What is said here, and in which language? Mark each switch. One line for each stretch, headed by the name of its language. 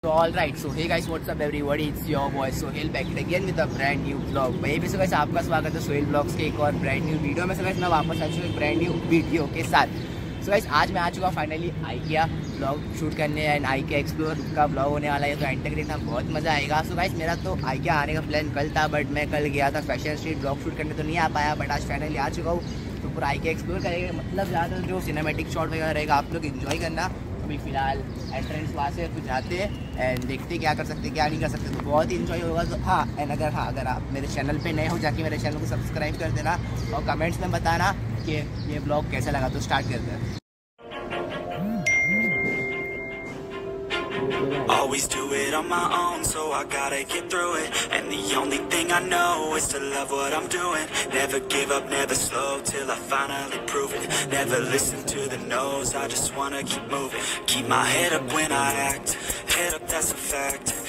English: So all right, so hey guys, what's up everybody, it's your boy Sohail back again with a brand new vlog.
Hindi: वहीं पे so guys आपका स्वागत है Sohail blogs के एक और ब्रांड न्यू वीडियो में. सो गाइस मैं वापस आ चुका हूँ एक ब्रांड न्यू वीडियो के साथ. सो गाइस आज मैं आ चुका फाइनली आइकिया ब्लॉग शूट करने एंड आइकिया एक्सप्लोर का ब्लॉग होने वाला है, तो एंड तक देखना बहुत मजा आएगा. सो गाइस मेरा तो आइकिया आने का प्लान कल था, बट मैं कल गया था फैशन स्ट्रीट ब्लॉग शूट करने तो नहीं आ पाया, बट आज फाइनली आ चुका हूँ तो पूरा आइकिया एक्सप्लोर करेंगे. मतलब ज़्यादातर जो सिनेमेटिक शॉट वगैरह रहेगा आप लोग इन्जॉय करना. अभी फिलहाल एंट्रेंस वहाँ से कुछ जाते हैं एंड देखते क्या कर सकते क्या नहीं कर सकते, तो बहुत ही इन्जॉय होगा. तो हाँ एंड अगर हाँ अगर आप मेरे चैनल पे नए हो जाके मेरे चैनल को सब्सक्राइब कर देना और कमेंट्स में बताना कि ये ब्लॉग कैसा लगा. तो स्टार्ट करते हैं.
English: Always do it on my own, so I gotta get through it. And the only thing I know is to love what I'm doing. Never give up, never slow, till I finally prove it. Never listen to the no's, I just wanna keep moving. Keep my head up when I act, head up, that's a fact.